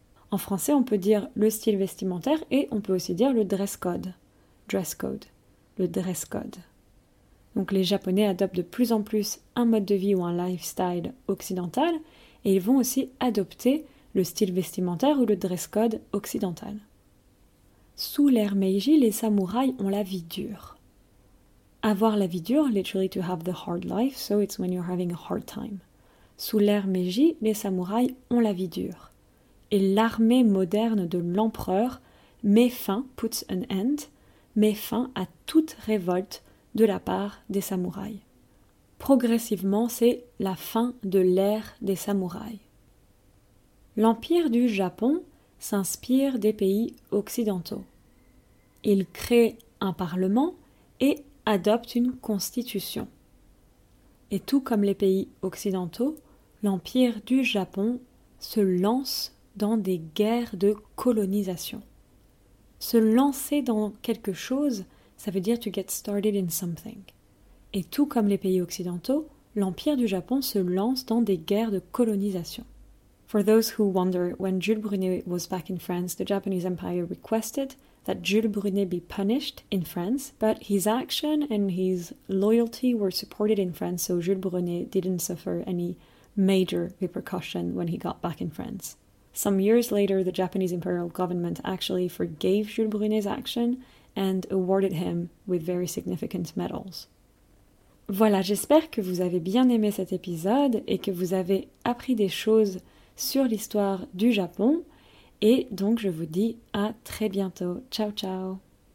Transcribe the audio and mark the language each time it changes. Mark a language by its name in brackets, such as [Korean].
[French] En français, on peut dire le style vestimentaire et on peut aussi dire le dress code. Dress code. Le dress code. Donc, les Japonais adoptent de plus en plus un mode de vie ou un lifestyle occidental, et ils vont aussi adopter le style vestimentaire ou le dress code occidental. Sous l'ère Meiji, les samouraïs ont la vie dure. Avoir la vie dure, [English] literally to have the hard life, so it's when you're having a hard time. [French] Sous l'ère Meiji, les samouraïs ont la vie dure. Et l'armée moderne de l'empereur met fin, [English] puts an end, [French] met fin à toute révolte de la part des samouraïs. Progressivement, c'est la fin de l'ère des samouraïs. L'Empire du Japon s'inspire des pays occidentaux. Il crée un parlement et adopte une constitution. Et tout comme les pays occidentaux, l'Empire du Japon se lance dans des guerres de colonisation. Se lancer dans quelque chose, ça veut dire [English] to get started in something. [French] Et tout comme les pays occidentaux, l'Empire du Japon se lance dans des guerres de colonisation. [English] For those who wonder, when Jules Brunet was back in France, the Japanese Empire requested that Jules Brunet be punished in France, but his action and his loyalty were supported in France, so Jules Brunet didn't suffer any major repercussion when he got back in France. Some years later, the Japanese imperial government actually forgave Jules Brunet's action and awarded him with very significant medals. [French] Voilà, j'espère que vous avez bien aimé cet épisode et que vous avez appris des choses sur l'histoire du Japon. Et donc, je vous dis à très bientôt. Ciao, ciao!